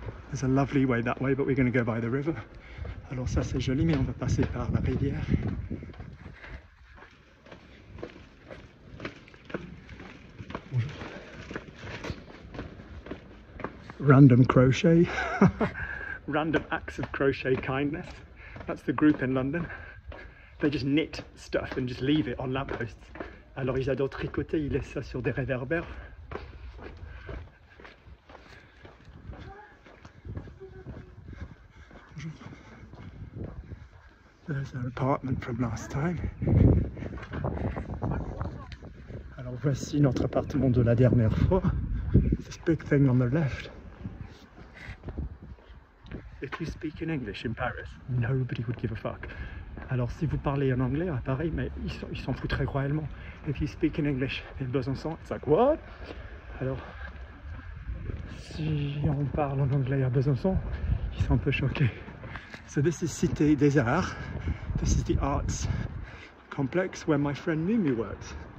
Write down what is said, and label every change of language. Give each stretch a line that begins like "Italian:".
English: There's a lovely way that way, but we're going to go by the river.
French: Alors ça c'est joli, mais on va passer par la rivière.
English: Bonjour. Random crochet. Random acts of crochet kindness. That's the group in London. They just knit stuff and just leave it on lampposts.
French: Alors, ils adorent tricoter, ils laissent ça sur des réverbères. Bonjour.
English: There's our apartment from last time.
French: Alors, voici notre appartement de la dernière fois.
English: This big thing on the left. If you speak in English in Paris, nobody would give a fuck.
French: Alors, si vous parlez en anglais, à Paris, mais ils s'en foutent très royalement.
English: If you speak in English in Besançon, it's like, what?
French: Alors, si on parle en anglais à Besançon, ils sont un peu choqués.
English: So this is Cité des Arts. This is the arts complex where my friend Mimi works.